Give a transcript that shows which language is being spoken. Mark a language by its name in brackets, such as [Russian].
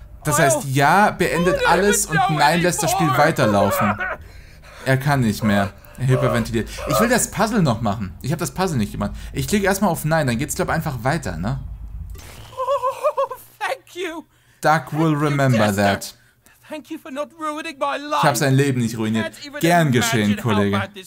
[German] Das heißt, ja beendet alles und nein lässt das Spiel weiterlaufen. Er kann nicht mehr. Er hyperventiliert. Ich will das Puzzle noch machen. Ich habe das Puzzle nicht gemacht. Ich klicke erstmal auf nein, dann geht's glaube einfach weiter, ne? [English] Oh, thank you. Duck will remember that. Thank you for not ruining my life. [German] Ich habe sein Leben nicht ruiniert. Gern geschehen, Kollege.